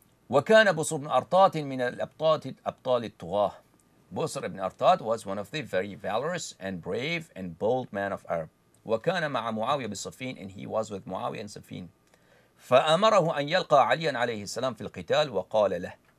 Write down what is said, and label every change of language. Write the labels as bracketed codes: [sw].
[ar] وكان بصر بن أرطاط من الأبطال الطغاة. [en] بصر بن أرطاط was one of the very valorous and brave and bold men of Arab. [ar] وكان مع معاوية بالصفين [en] and he was with معاوية and صفين. [ar] فأمره أن يلقى عليا عليه السلام في القتال وقال له.